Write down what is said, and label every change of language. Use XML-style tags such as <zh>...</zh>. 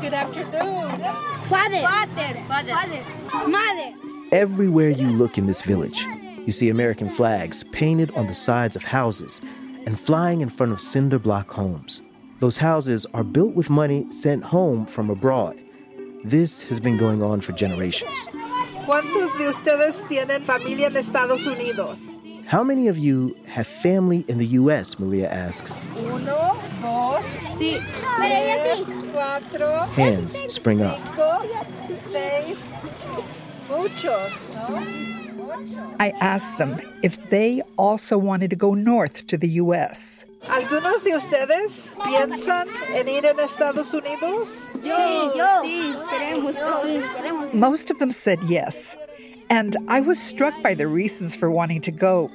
<en>Good afternoon. Father. Everywhere you look in this village, you see American flags painted on the sides of houses and flying in front of cinder block homes. Those houses are built with money sent home from abroad. This has been going on for generations.</en> <es>¿Cuántos de ustedes tienen familia en Estados Unidos?</es> <en>How many of you have family in the U.S., Maria asks.</en> <es>Uno, dos, sí. Tres, cuatro.</es> <en>Hands spring up.</en> <es>Cinco, seis, muchos, no?</es> <en>I asked them if they also wanted to go north to the U.S.</en> <es>¿Algunos de ustedes piensan en ir en Estados Unidos? Sí, queremos.</es> <en>Most of them said yes. And I was struck by their reasons for wanting to go.</en>